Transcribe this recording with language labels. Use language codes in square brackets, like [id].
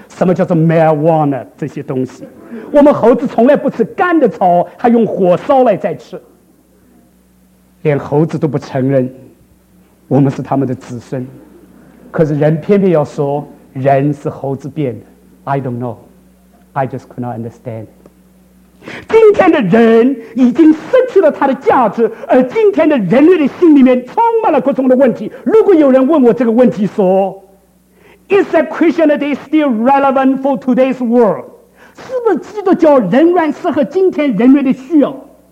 [zh] 什么叫做 marijuana 这些东西，我们猴子从来不吃干的草，还用火烧了再吃。连猴子都不承认我们是他们的子孙，可是人偏偏要说人是猴子变的。 [en] I don't know， I just could not understand。 [zh] 今天的人已经失去了他的价值，而今天的人类的心里面充满了各种的问题。如果有人问我这个问题说 [en] Is that Christianity still relevant for today's world， [zh] 是不是基督教仍然适合今天人类的需要？